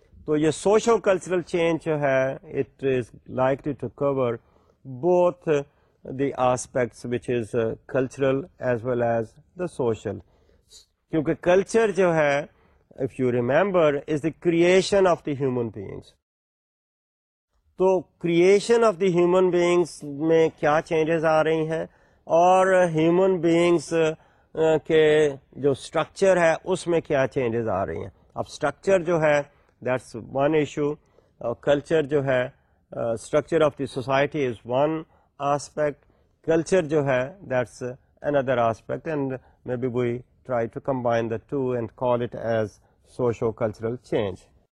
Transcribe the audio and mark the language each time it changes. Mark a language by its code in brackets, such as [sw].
[ur] تو یہ [en] socio cultural change [ur] جو ہے [en] It is likely to cover both the aspects which is cultural as well as the social. [ur] کیونکہ [en] culture [ur] جو ہے [en] If you remember is the creation of the human beings. [ur] تو [en] creation of the human beings [ur] میں کیا changes آ رہی ہیں اور human beings کے جو اسٹرکچر ہے اس میں کیا چینجز آ رہی ہیں. اب اسٹرکچر جو ہے [en] that's one issue. Culture [ur] jo hai, [en] structure of the society is one aspect. Culture [ur] jo hai, [en] that's another aspect, and maybe we try to combine the two and call it as socio-cultural change.